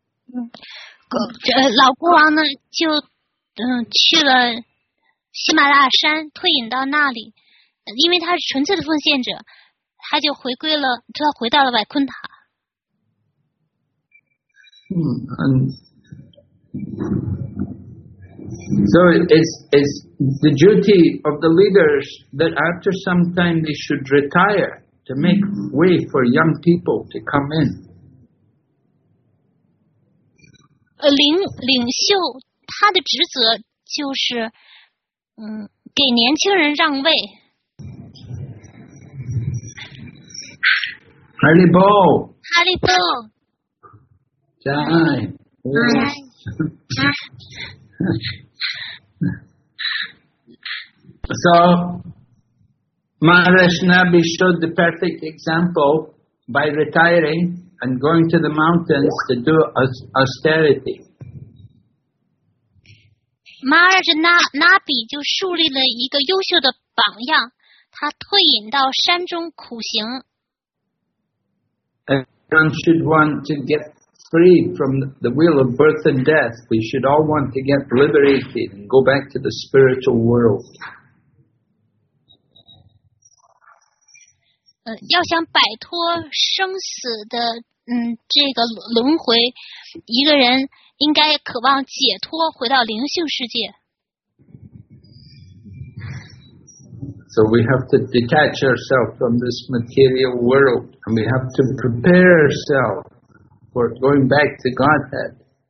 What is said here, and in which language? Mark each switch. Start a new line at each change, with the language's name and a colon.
Chinese: 老国王呢就去了喜马拉雅山，退隐到那里，因为他是纯粹的奉献者。他就回归了，他回到了外昆塔。
English: So it's the duty of the leaders that after some time they should retire to make way for young people to come in.
Chinese: 领袖他的职责就是，给年轻人让位。 Harley Ball. Harley Ball. Jai.
English: So, Maharaj Nabi showed the perfect example by retiring and going to the mountains to do austerity.
Chinese: Maharaj Nabi 就树立了一个优秀的榜样，他退隐到山中苦行。
English: Everyone should want to get free from the wheel of birth and death. We should all want to get liberated and go back to the spiritual world.
Chinese: 要想摆脱生死的这个轮回，一个人应该渴望解脱，回到灵性世界。
English: So we have to detach ourselves from this material world, and we have to prepare ourselves for going back to Godhead.